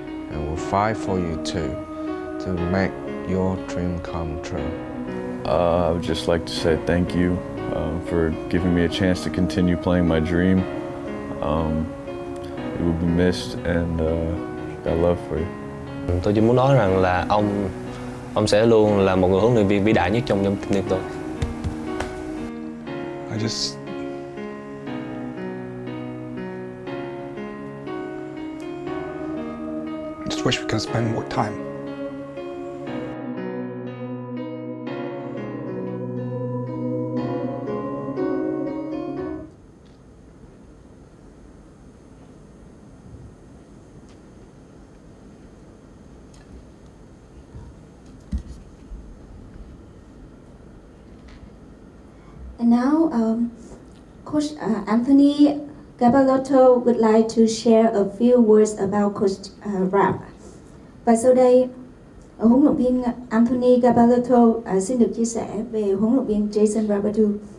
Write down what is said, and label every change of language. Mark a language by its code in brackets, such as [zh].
[en] And we'll fight for you too, to make your dream come true. I would just like to say thank you for giving me a chance to continue playing my dream. It will be missed, and got love for you. [vi] Tôi chỉ muốn nói rằng là ông sẽ luôn là một người huấn luyện viên vĩ đại nhất trong nhóm tiền tôi. [en] I just wish we could spend more time. Anthony Gabalotto would like to share a few words about Coach Rab. [vi] Và sau đây, huấn luyện viên Anthony Gabalotto xin được chia sẻ về huấn luyện viên Jason Rabedeux.